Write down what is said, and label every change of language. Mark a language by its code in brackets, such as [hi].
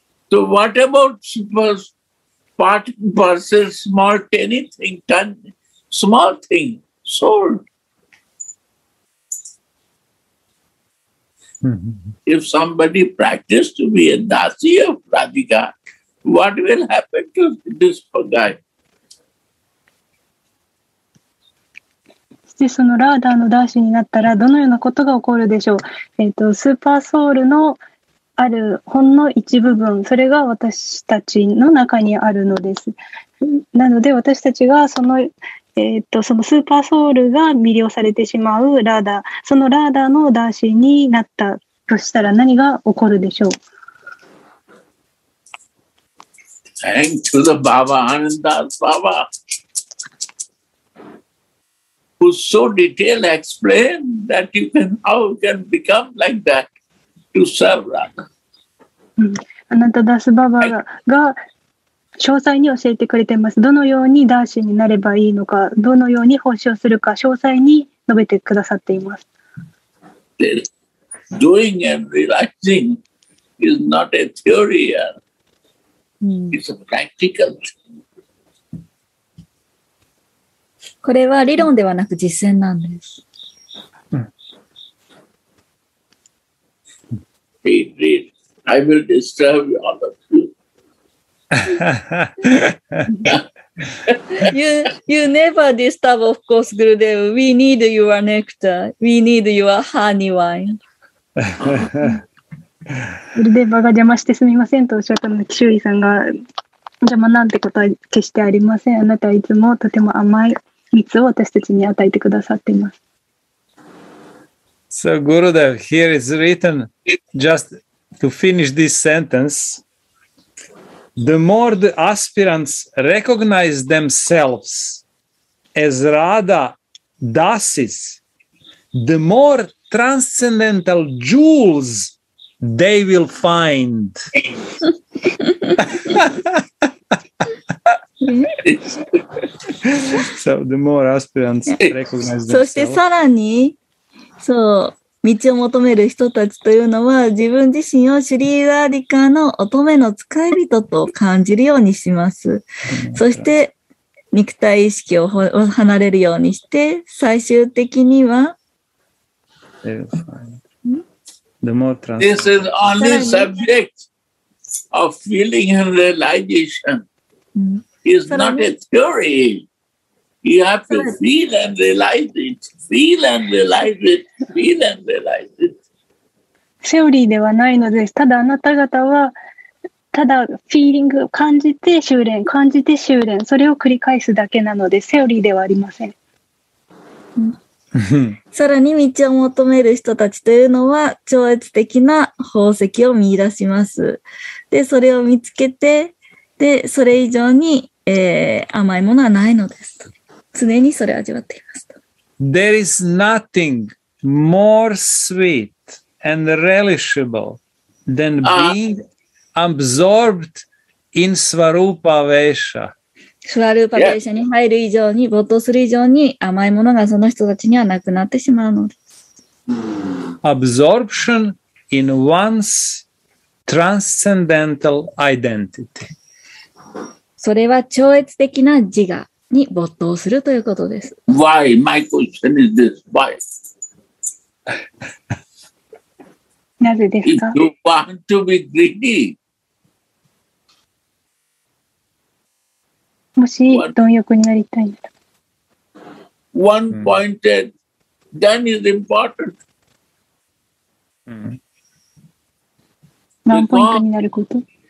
[en] So what about super part and parcel, small, tiny thing, small thing, soul? Mm-hmm. If somebody practices to be a Dasi of Radhika, what will happen to this guy? [ja] でそのラーダーのダーシーになったらどのようなことが起こるでしょう、スーパーソウルのあるほんの一部分、それが私たちの中にあるのです。なので私たちがその、そのスーパーソウルが魅了されてしまうラーダー、そのラーダーのダーシーになったとしたら何が起こるでしょう。 [en] Thank you the Baba Anandas Baba who so detailed explain that you can, how you can become like that to serve Radha. [ja] Anandas Baba が詳細に教えてくれています。どのようにダーシーになればいいのか、どのように奉仕をするか、詳細に述べてくださっています。 [en] Doing and realizing is not a theory. It's a practical thing. [ja] これは理論ではなく実践なんです。 [en] Read, read. I will disturb you all of you. you never disturb, of course, Gurudev. We need your nectar. We need your honey wine. [ja] Gurudev が邪魔してすみませんとおっしゃったので、キシュウリさんが邪魔なんてことは決してありません。あなたはいつもとても甘い蜜を私たちに与えてくださっています。 [en] So Gurudev, here is written, just to finish this sentence, the more the aspirants recognize themselves as Radha Dasis, the more transcendental jewels they will find. So the more aspirants recognize themselves. [ja] そしてさらに、そう、道を求める人たちというのは自分自身をシュリー・ラーディカの乙女の使い人と感じるようにします。そして肉体意識を離れるようにして、最終的には [en] This is only subject of feeling and realization. It's not a theory. You have to feel and realize it. Feel and realize it. Feel and realize it. [ja] セオリーではないのです。ただあなた方はただフィーリング、感じて修練、感じて修練、それを繰り返すだけなので、セオリーではありません。さらに道を求める人たちというのは超越的な宝石を見出します。でそれを見つけて、でそれ以上に、甘いものはないのです、常にそれを味わっていますと。 [en] There is nothing more sweet and relishable than being absorbed in Svarupa Vesha。 [ja] スワルーパベーションに入る以上に、没頭する以上に、甘いものがその人たちにはなくなってしまうのです。 [en] Absorption in one's transcendental identity. [ja] それは超越的な自我に没頭するということです。 [en] Why? My question is this. Why? [ja] なぜですか? [en] If you want to be greedy, [ja] し貪欲になりたいなら。 [en] One pointed, then is important. One pointed [ja] になること。